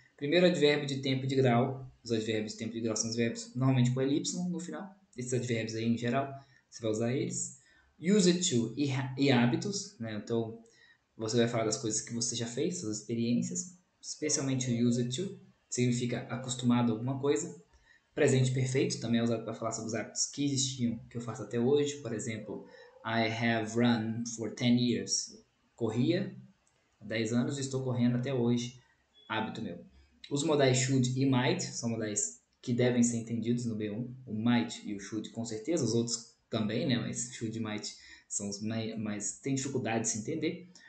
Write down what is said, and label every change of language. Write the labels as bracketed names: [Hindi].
[Portuguese] Primeiro, advérbio de tempo e de grau, os advérbios de tempo e de grau são os verbos normalmente com a ely no final, esses advérbios aí em geral, você vai usar eles. Use it to e hábitos, né? Então você vai falar das coisas que você já fez, suas experiências, especialmente o use it to, significa acostumado a alguma coisa. Presente perfeito também é usado para falar sobre os hábitos que existiam, que eu faço até hoje. Por exemplo, [English] I have run for 10 years. [Portuguese] Corria há 10 anos e estou correndo até hoje, hábito meu. Os modais should e might são modais que devem ser entendidos no B1, o might e o should com certeza, os outros também, né? Mas should e might são os mais, tem dificuldade de se entender.